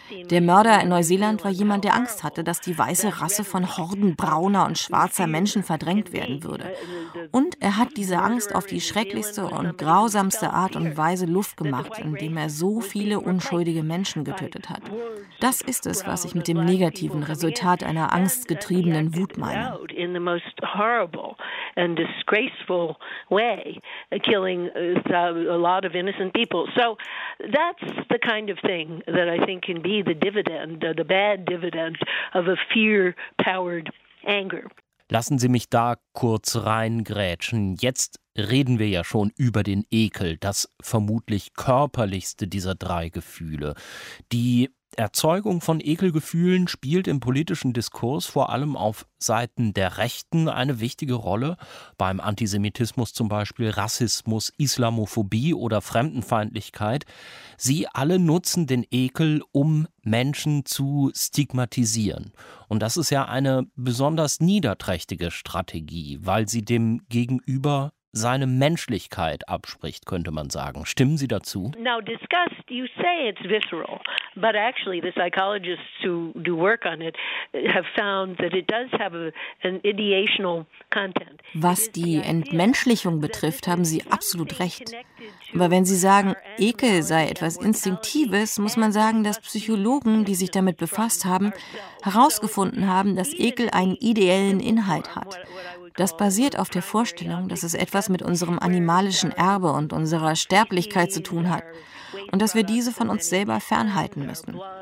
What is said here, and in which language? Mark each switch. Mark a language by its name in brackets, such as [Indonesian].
[German] Der Mörder in Neuseeland war jemand, der Angst hatte, dass die weiße Rasse von Horden brauner und schwarzer Menschen verdrängt werden würde. Und er hat diese Angst auf die schrecklichste und grausamste Art und Weise Luft gemacht, indem er so viele unschuldige Menschen getötet hat. Das ist es, was ich mit dem negativen Resultat einer angstgetriebenen Wut meine. [English] In the most horrible and disgraceful way, killing a lot of innocent people. So that's the kind of thing that I think can be the dividend, the bad dividend of a fear-powered anger. [German] Lassen Sie mich da kurz reingrätschen. Jetzt reden wir ja schon über den Ekel, das vermutlich körperlichste dieser drei Gefühle. Die Erzeugung von Ekelgefühlen spielt im politischen Diskurs vor allem auf Seiten der Rechten eine wichtige Rolle. Beim Antisemitismus zum Beispiel, Rassismus, Islamophobie oder Fremdenfeindlichkeit. Sie alle nutzen den Ekel, um Menschen zu stigmatisieren. Und das ist ja eine besonders niederträchtige Strategie, weil sie dem Gegenüber seine Menschlichkeit abspricht, könnte man sagen. Stimmen Sie dazu? [English] Now disgust, you say it's visceral, but actually the psychologists who do work on it have found that it does have an ideational content. [German] Was die Entmenschlichung betrifft, haben Sie absolut recht. Aber wenn Sie sagen, Ekel sei etwas Instinktives, muss man sagen, dass Psychologen, die sich damit befasst haben, herausgefunden haben, dass Ekel einen ideellen Inhalt hat. Das basiert auf der Vorstellung, dass es etwas mit unserem animalischen Erbe und unserer Sterblichkeit zu tun hat und dass wir diese von uns selber fernhalten müssen.